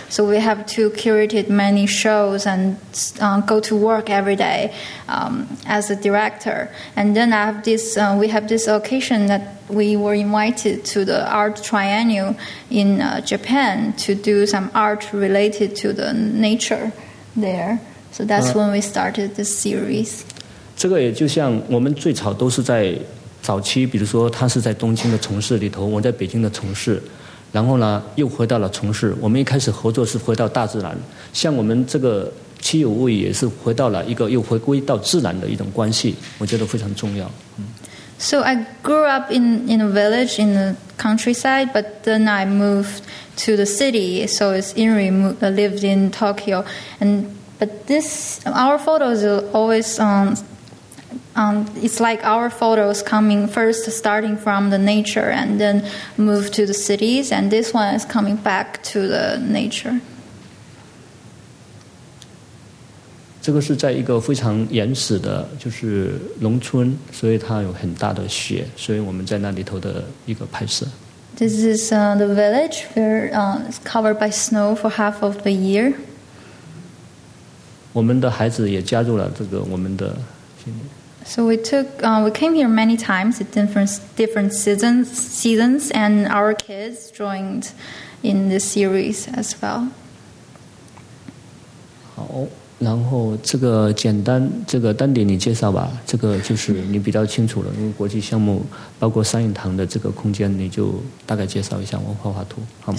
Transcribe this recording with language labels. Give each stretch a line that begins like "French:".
English: So we have to curate many shows and go to work every day. As a director, and then I have this, we have this occasion that we were invited to the Art Triennial in Japan to do some art related to the nature there. So that's when we started this series.
Chinese: 这个也就像我们最早都是在早期，比如说他是在东京的城市里头，我在北京的城市，然后呢又回到了城市。我们一开始合作是回到大自然，像我们这个。七有物语也是回到了一个又回归到自然的一种关系，我觉得非常重要。
English: So I grew up in a village in the countryside, but then I moved to the city. So it's Inri lived in Tokyo, but this our photos are always it's like our photos coming first, starting from the nature, and then move to the cities, and this one is coming back to the nature.
Chinese: 这个是在一个非常原始的就是农村，所以它有很大的雪，所以我们在那里头的一个拍摄。
English: This is the village where it's covered by snow for half of the year.
Chinese: 我们的孩子也加入了这个我们的。
English: So we took, we came here many times at different seasons, and our kids joined in this series as well.
Chinese: 好。然后这个简单，这个丹迪你介绍吧，这个就是你比较清楚了，因为国际项目包括三影堂的这个空间，你就大概介绍一下，我画画图好吗